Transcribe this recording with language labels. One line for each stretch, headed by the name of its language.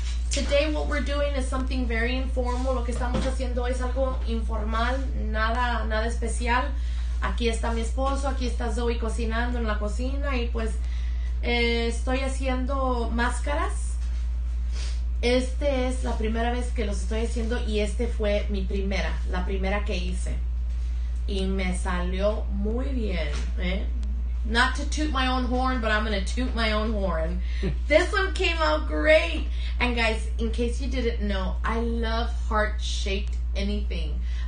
English: Today what we're doing is something very informal.
Spanish: Lo que estamos haciendo es algo informal, nada especial. Aquí está mi esposo, aquí está Zoe cocinando en la cocina y pues estoy haciendo máscaras. Esta es la primera vez que los estoy haciendo y este fue mi primera, la primera que hice. Y me salió muy bien, ¿eh?
English: Not to toot my own horn, but I'm going to toot my own horn. This one came out great. And guys, in case you didn't know, I love heart-shaped anything.